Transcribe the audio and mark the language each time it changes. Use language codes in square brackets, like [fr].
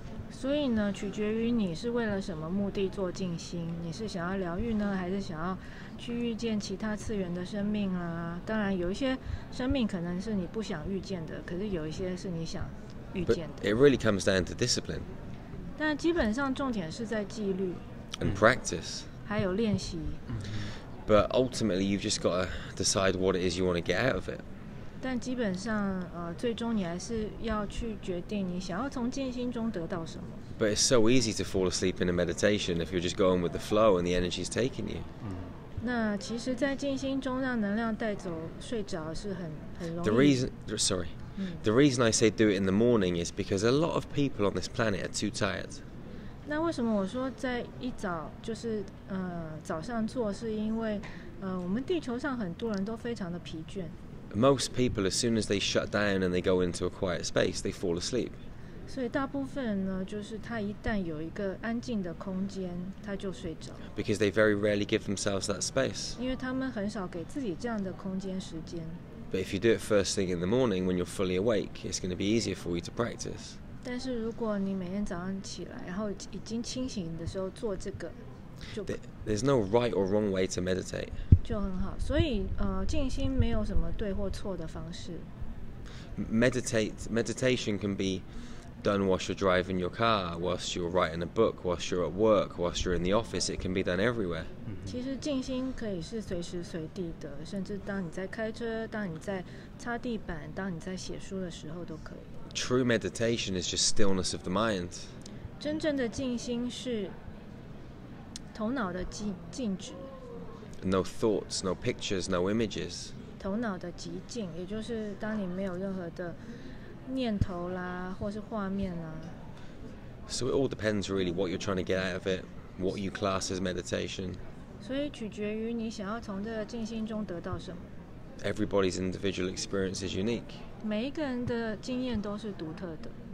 [zh] 所以呢，取决于你是为了什么目的做静心，你是想要疗愈呢，还是想要去遇见其他次元的生命啊？当然，有一些生命可能是你不想遇见的，可是有一些是你想遇见的。 [en] But it really comes down to discipline. [zh] 但基本上重点是在纪律。 [en] And practice. [zh] 还有练习。 [en] But ultimately, you've just got to decide what it is you want to get out of it. [zh] 但基本上最终你还是要去决定你想要从静心中得到什么。 [en] But it's so easy to fall asleep in a meditation if you're just going with the flow and the energy's taking you. [zh] 那其实在静心中让能量带走睡着是很容易。 [en] The reason I say do it in the morning is because a lot of people on this planet are too tired. [zh] 那为什么我说在一早就是早上做是因为我们地球上很多人都非常的疲倦。 [en] Most people, as soon as they shut down and they go into a quiet space, they fall asleep. [zh] 所以大部分人呢，就是他一旦有一个安静的空间，他就睡着。 [en] Because they very rarely give themselves that space. [zh] 因为他们很少给自己这样的空间时间。 [en] But if you do it first thing in the morning, when you're fully awake, it's going to be easier for you to practice. [zh] 但是如果你每天早上起来，然后已经清醒的时候做这个。 [en] There's no right or wrong way to meditate. [zh] 就很好，所以静心没有什么对或错的方式。 [en] Meditation can be done whilst you're driving your car, whilst you're writing a book, whilst you're at work, whilst you're in the office. It can be done everywhere. [zh] 其实静心可以是随时随地的，甚至当你在开车、当你在擦地板、当你在写书的时候都可以。 [en] True meditation is just stillness of the mind. [zh] 真正的静心是。头脑的静止 [en] No thoughts, no pictures, no images. [zh] 头脑的极静，也就是当你没有任何的念头啦，或是画面啦。 [en] So it all depends really what you're trying to get out of it, what you class as meditation. [zh] 所以取决于你想要从这个静心中得到什么。 [en] Everybody's individual experience is unique. [zh] 每一个人的经验都是独特的。